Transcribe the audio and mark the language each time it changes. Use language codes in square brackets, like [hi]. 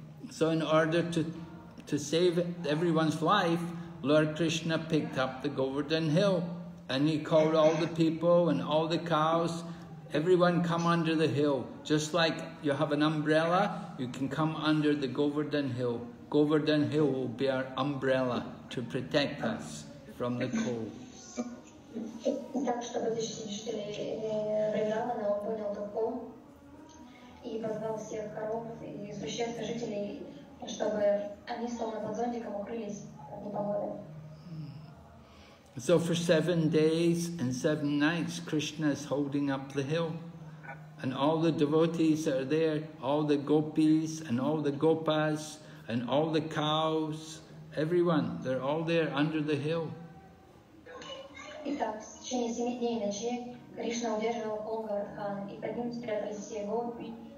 [en] So in order to save everyone's life, Lord Krishna picked up the Govardhan Hill and he called all the people and all the cows, everyone come under the hill. Just like you have an umbrella, you can come under the Govardhan Hill. Govardhan Hill will be our umbrella to protect us from the cold. [ru] Так, чтобы защитить жителей Вриндавана, он понял таком и позвал всех коров и существ жителей, чтобы они словно под зонтиком укрылись от непогоды. [en] So for 7 days and 7 nights, Krishna is holding up the hill. And all the devotees are there, all the gopis and all the gopas and all the cows, everyone, they're all there under the hill. [ru] Итак, в течение 7 дней и ночей Кришна удерживал Говардхан, и под ним спрятались все гопи,